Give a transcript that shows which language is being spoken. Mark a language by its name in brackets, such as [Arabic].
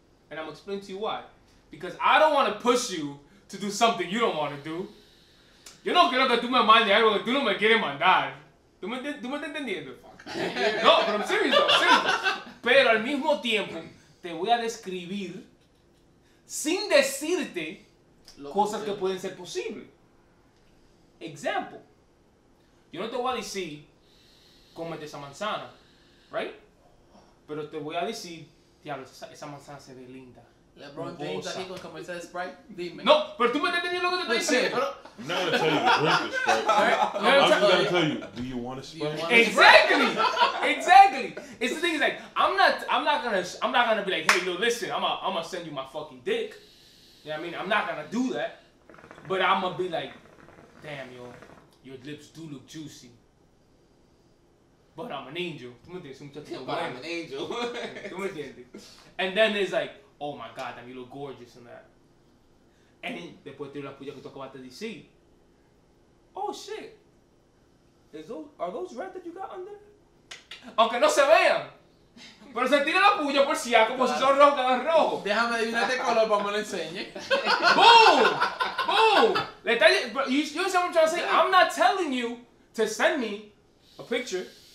[English] And I'm going to explain to you why. Because I don't want to push you to do something you don't want to do. [Spanish] Yo no quiero que tú me mandes algo que tú no me quieres mandar. ¿Tú me estás entendiendo? No, pero [English] I'm serious. [Spanish] Pero al mismo tiempo, te voy a describir sin decirte cosas que pueden ser posibles. Example. Yo no te voy a decir, cómete esa manzana. Right? Pero te voy a decir, diablo, esa manzana se ve linda. LeBron James está aquí con comercial de Sprite. Dime. No, pero tú me estás entendiendo lo que te estoy diciendo. [English] I'm not going to tell you to drink a Sprite. I'm just going to tell you, do you want a Sprite? Exactly. Exactly. It's the thing is like, I'm not gonna be like, hey, yo, listen, I'm gonna send you my fucking dick. You know what I mean? I'm not going to do that. But I'm going to be like, damn, yo, your lips do look juicy. But I'm an angel. [Spanish] Tú me entiendes, muchachos. [English] But I'm an angel. [Spanish] Tú me entiendes. [English] And then it's like, oh my God, damn, you look gorgeous in that. [Spanish] And después tiene la puya que tú acabaste de decir. [English] Oh shit. Are those red that you got under? [Spanish] Aunque no se vean. Pero se tira la puya por si acaso, como si son rojos, quedan rojos. Déjame adivinar de color para que me lo enseñe. [English] Boom! Boom! You understand what I'm trying to say? I'm not telling you to send me a picture.